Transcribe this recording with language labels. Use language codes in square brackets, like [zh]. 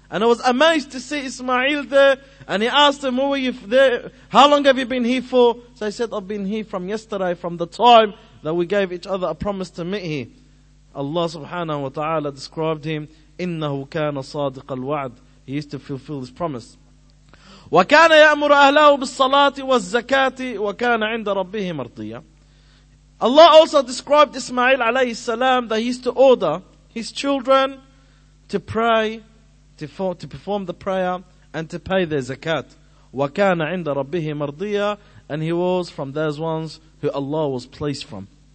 [en] And I was amazed to see Ismail there, and he asked him, "Who were you there? How long have you been here for?" So he said, "I've been here from yesterday, from the time that we gave each other a promise to meet here." Allah subhanahu wa ta'ala described him, [ar] إِنَّهُ كَانَ صَادِقَ الْوَعْدِ. [en] He used to fulfill his promise. [ar] وكان يأمر أهله بالصلاة والزكاة وكان عند ربه مرضيا. [en] Allah also described Ismail عليه السلام that he used to order his children to pray, to perform the prayer and to pay their zakat. [ar] وكان عند ربه مرضيا, [en] and he was from those ones who Allah was pleased from.